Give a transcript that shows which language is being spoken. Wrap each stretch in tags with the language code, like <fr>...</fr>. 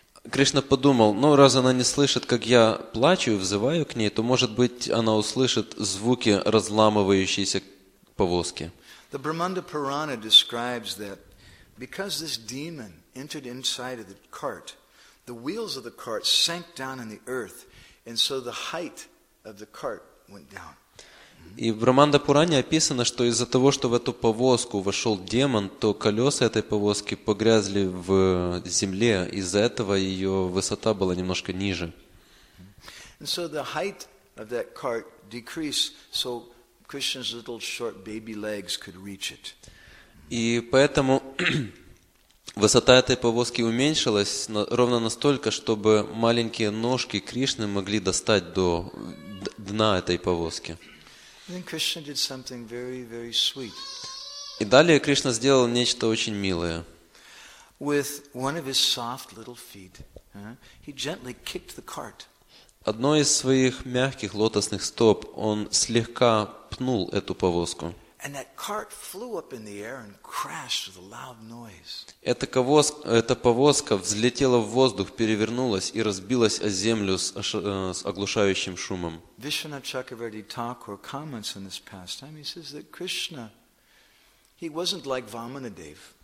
<ru>Кришна подумал, ну раз она не слышит, как я плачу и взываю к ней, то может быть она услышит звуки разламывающейся повозки.</ru> <en>The Brahmanda Purana describes that because this demon entered inside of the cart, the wheels of the cart sank down in the earth, and so the height of the cart went down.</en> <ru>И в Брахманда Пуране описано, что из-за того, что в эту повозку вошел демон, то колеса этой повозки погрязли в земле, из-за этого ее высота была немножко ниже.</ru> <en>And so the height of that cart decreased, so Krishna's little short baby legs could reach it.</en> <ru>И поэтому высота этой повозки уменьшилась ровно настолько, чтобы маленькие ножки Кришны могли достать до дна этой повозки.</ru> <en>Then Krishna did something very, very sweet.</en> <ru>И далее Кришна сделал нечто очень милое.</ru> <en>With one of his soft little feet, he gently kicked the cart.</en> <ru>Одной из своих мягких лотосных стоп он слегка пнул эту повозку.</ru> <en>And that cart flew up in the air and crashed with a loud noise.</en> <ru>Эта повозка взлетела в воздух, перевернулась и разбилась о землю с оглушающим шумом.</ru> <en>Vishwanatha Chakravarti Thakur comments on this pastime. He says that Krishna, he wasn't like Vamanadev.</en>